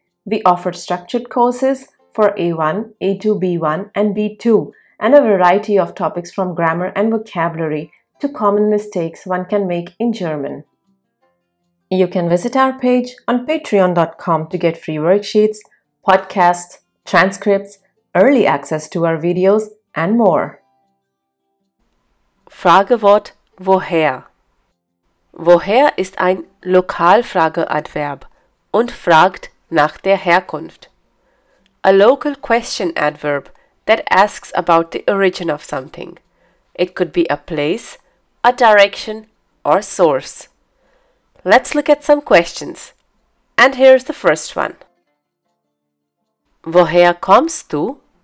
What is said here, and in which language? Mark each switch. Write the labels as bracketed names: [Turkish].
[English] We offer structured courses for A1, A2, B1 and B2 and a variety of topics from grammar and vocabulary to common mistakes one can make in German. You can visit our page on patreon.com to get free worksheets, podcasts, transcripts, early access to our videos, and more. [German] Fragewort woher. Woher ist ein Lokalfrageadverb und fragt nach der Herkunft. [English] A local question adverb that asks about the origin of something. It could be a place, a direction, or source. Let's look at some questions. And here's the first one. [German] Woher kommst du?